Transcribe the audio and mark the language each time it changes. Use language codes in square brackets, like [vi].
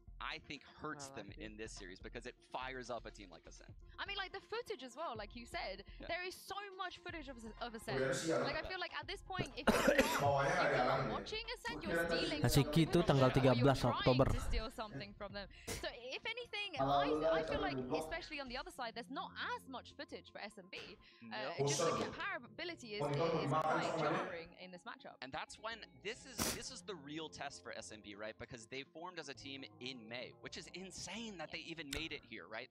[en] I think hurts them in this series because it fires up a team like Ascend. I mean, like the footage as well, like you said, there is so much footage of Ascend. Like I feel like at this point, if you're not watching Ascend, you're stealing. [id] Asiki itu tanggal 13 Oktober. [en] So if anything, I feel like especially on the other side, there's not as much footage for SMB. Just the comparability is quite jarring in this matchup. And that's when this is the real test for SMB, right? Because they formed as a team in May, which is insane that they even made it here, right?